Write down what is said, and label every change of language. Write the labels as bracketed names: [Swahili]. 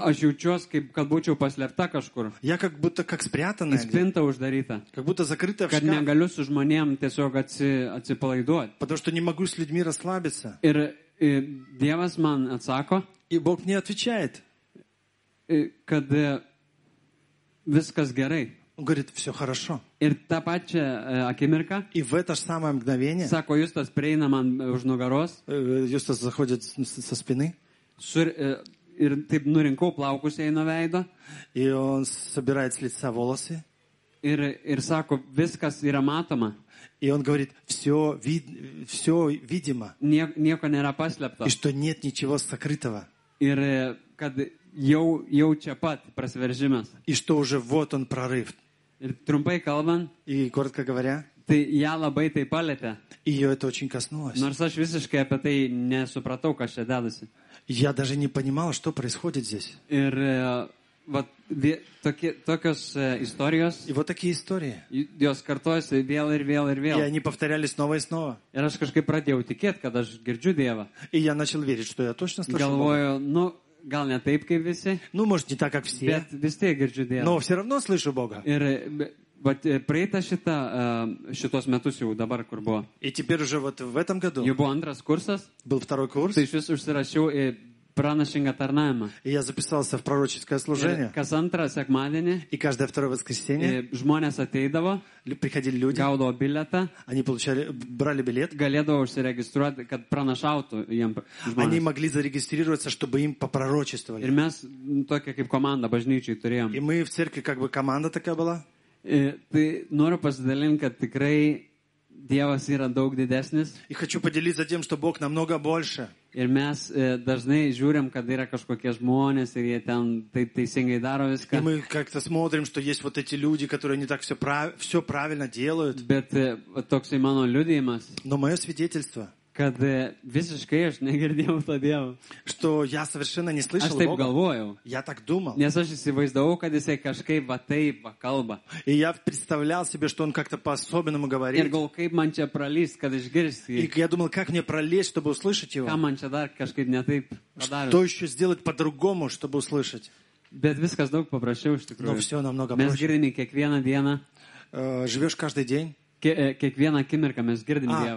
[Lithuanian] Aš jaučiuosi, kaip kad būčiau paslėpta kažkur. [Russian] Я как будто как спрятанная. [Lithuanian] И спинта uždaryta. [Russian] Как будто закрытая в [Lithuanian] шкаф. Kad negaliu su žmonėm tiesiog atsipalaiduot. [Russian] Потому что не могу с людьми расслабиться. [Lithuanian] Ir Dievas man atsako. [Russian] И Бог мне отвечает. [Lithuanian] Kad viskas gerai. [Russian] Говорит, все хорошо. [Lithuanian] Ir tą pačią akimirką. [Russian] И в это же самое мгновение. [Lithuanian] Sako, Justas prieina man už nugaros. [Russian] Justas заходит со спины. [Lithuanian] Ir taip nurinkau plaukus jai nuo veido. [Russian] И он собирает с лица волосы. [Lithuanian] Ir sako, viskas yra matoma. [Russian] И он говорит, все видимо. [Lithuanian] Nieko nėra paslėpto. [Russian] И что нет ничего сокрытого. [Lithuanian] Ir kad Jau čia pat prasiveržimas. [Russian] И что уже вот он прорыв. [Lithuanian] Ir trumpai kalbant, [Russian] и коротко говоря, [Lithuanian] tai ją labai tai palietė. [Russian] И ее это очень коснулось. [Lithuanian] Nors aš visiškai apie tai nesupratau, kas čia dedasi. [Russian] Я даже не понимал, что происходит здесь. [Lithuanian] Ir вот tokios istorijos. [Russian] И вот такие истории. [Lithuanian] Jos kartojasi vėl ir vėl ir vėl. [Russian] И они повторялись снова и снова. [Lithuanian] Ir aš kažkaip pradėjau tikėti, kad aš girdžiu Dievą. [Russian] И я начал верить, что я точно слышу. [Lithuanian] Galvoju, Gal ne taip, kaip visi. [Russian] Ну, может, не так, как все. [Lithuanian] Bet vis tiek girdžiu Dievą. [Russian] Но все равно слышу Бога. [Lithuanian] Ir, but, praeita šitos metus jau dabar, kur buvo. [Russian] И теперь уже вот в этом году. [Lithuanian] Jau buvo antras kursas. [Russian] Был второй курс. [Lithuanian] Tai iš vis užsirašiau į pranašingą tarnavimą. [Russian] И я записался в пророческое служение. [Lithuanian] Kas antrą sekmadienį. [Russian] И каждое второе воскресенье. [Lithuanian] Žmonės ateidavo. [Russian] Приходили люди. [Lithuanian] Gaudavo biletą. [Russian] Они получали, брали билет. [Lithuanian] Galėdavo užsiregistruoti, kad pranašautų jiem žmonės. [Russian] Они могли зарегистрироваться, чтобы им попророчествовали. [Lithuanian] Ir mes tokia kaip komanda bažnyčiai turėjom. [Russian] И мы в церкви как бы команда такая была. [Lithuanian] Tai noriu pasidalinti, kad tikrai Dievas yra daug didesnis. [Russian] И хочу поделиться тем, что Бог намного больше. [Lithuanian] Ir mes dažnai žiūrim, kad yra kažkokie žmonės ir jie ten taip teisingai daro viską. [Russian] Мы как-то смотрим, что есть вот эти люди, которые не так все правильно делают. [Lithuanian] Bet toks ir mano liudijimas. [Russian] Но мое свидетельство. [Lithuanian] Kad visiškai aš negirdėjau to Dievo. [Russian] Что я совершенно не слышал [Lithuanian] Бога. Aš taip galvojau. [Russian] Я так думал. [Lithuanian] Nes aš įsivaizdavau, kad jisai kažkaip va taip va kalba. [Russian] И я представлял себе, что он как-то по-особенному говорит. [Lithuanian] Ir galvojau, kaip man čia пролезть, kad išgirsti. [Russian] И я думал, как мне пролезть, чтобы услышать его. [Lithuanian] Ką man čia dar kažkaip ne taip padarius. [Russian] Что еще сделать по-другому, чтобы услышать. [Lithuanian] Bet viskas daug paprasčiau, iš tikrųjų. [Russian] Но все намного [Lithuanian] проще. Mes girdime kiekvieną dieną. [Russian] Живешь каждый день. [Lithuanian] Kiekvieną akimirką mes girdim Dievą.